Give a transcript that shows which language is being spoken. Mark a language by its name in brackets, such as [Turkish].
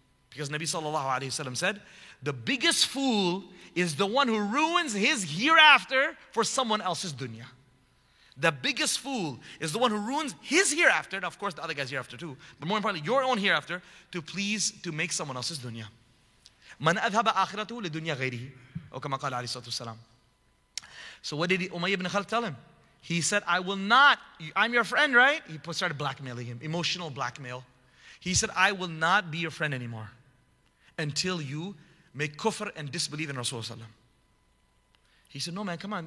[English] Because Nabi sallallahu alayhi wa sallam said, the biggest fool is the one who ruins his hereafter for someone else's dunya. The biggest fool is the one who ruins his hereafter, and of course the other guy's hereafter too, but more importantly, your own hereafter, to please, to make someone else's dunya. [Arabic] من أذهب آخرته لدنيا غيره أو كما قال عليه الصلاة والسلام. [English] So what did Umayyah ibn Khalid tell him? He said, I will not, I'm your friend, right? He started blackmailing him, emotional blackmail. He said, I will not be your friend anymore until you make kufr and disbelieve in Rasulullah. He said, no man, come on.